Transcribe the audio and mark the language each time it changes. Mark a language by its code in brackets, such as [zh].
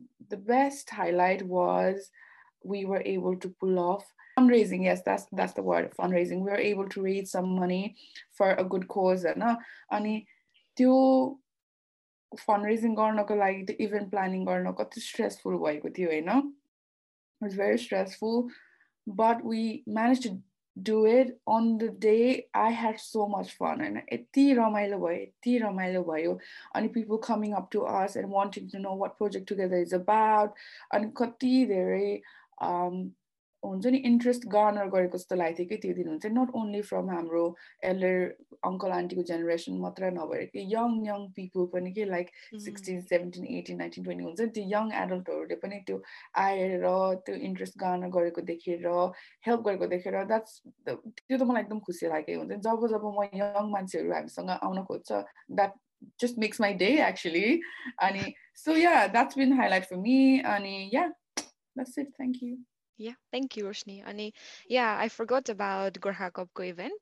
[en] the best highlight was we were able to pull off fundraising yes that's the word fundraising we are able to raise some money for a good cause [ne] होइन अनि त्यो fund raising गर्नको लागि त्यो event planning गर्न कति stressful भएको थियो होइन [en] It was very stressful, but we managed to do it on the day. I had so much fun, and [ne] eti ramailo bhayo ani [en] people coming up to us and wanting to know what project together is about and [ne] kati dherai हुन्छ नि interest Garner गरेको जस्तो लागेको थियो कि त्यो दिन हुन्छ [en] not only from [ne] हाम्रो एल्डर अङ्कल आन्टीको जेनेरेसन मात्र नभएर कि यङ यङ पिपल पनि कि लाइक 16, 17, 18, 19, 20 हुन्छ नि त्यो यङ एडल्टहरूले पनि त्यो आएर त्यो इन्ट्रेस्ट गार्नर गरेको देखेर हेल्प गरेको देखेर द्याट्स त्यो त मलाई एकदम खुसी लागेको हुन्छ नि जब जब म यङ मान्छेहरू हामीसँग आउन खोज्छ [en] that just makes my day actually [ne] अनि [en] so yeah that's been highlight for me [ne] अनि [en] Yeah that's it thank you Yeah, thank you, Roshni. And yeah, I forgot about Gorkha Cup's event.